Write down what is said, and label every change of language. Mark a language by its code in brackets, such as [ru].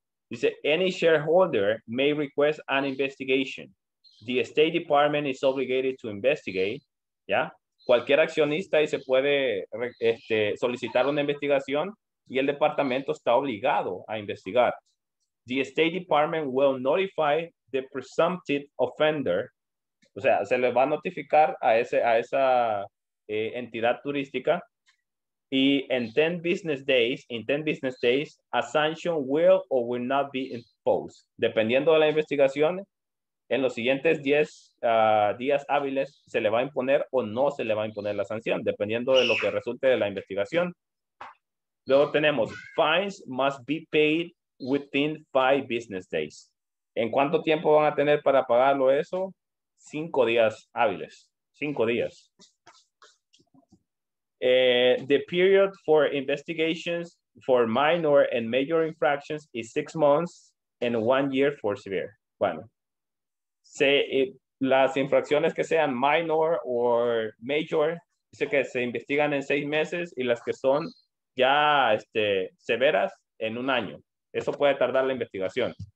[es] Dice, [en] any shareholder may request an investigation. The State Department is obligated to investigate. [es] ¿Ya? Cualquier accionista y se puede solicitar una investigación y el departamento está obligado a investigar. [en] The State Department will notify the presumptive offender. [es] O sea, se le va a notificar a esa entidad turística y [en] in 10 business days, a sanction will or will not be imposed. [es] Dependiendo de la investigación, en los siguientes 10 días hábiles, se le va a imponer o no se le va a imponer la sanción, dependiendo de lo que resulte de la investigación. Luego tenemos, [en] fines must be paid within 5 business days. [es] ¿En cuánto tiempo van a tener para pagarlo eso? 5 días hábiles. 5 días. [en] The period for investigations for minor and major infractions is 6 months and 1 year for severe. [es] Bueno. Las infracciones que sean minor o major, dice que se investigan en 6 meses y las que son ya severas en 1 año. Eso puede tardar la investigación.